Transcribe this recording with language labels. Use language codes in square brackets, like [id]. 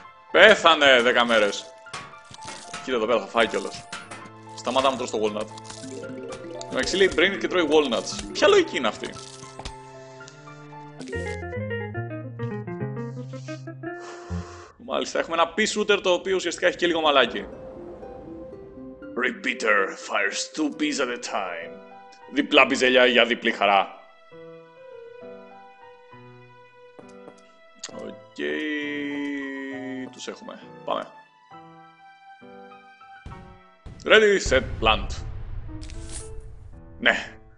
[el] Πέθανε 10 μέρες. Κοίτα εδώ πέρα, θα φάει κιόλας. Σταμάτα να τρως το Walnut. Εντάξει, λέει Brain και τρώει Walnuts. Ποια λογική είναι αυτή? Μάλιστα, έχουμε ένα peace shooter το οποίο ουσιαστικά έχει και λίγο μαλάκι. [en] Repeater fires two bees at a time. [el] Διπλά μπιζελιά για διπλή χαρά. Okay, τους έχουμε. Πάμε. [en] Ready, set, plant. Ναι.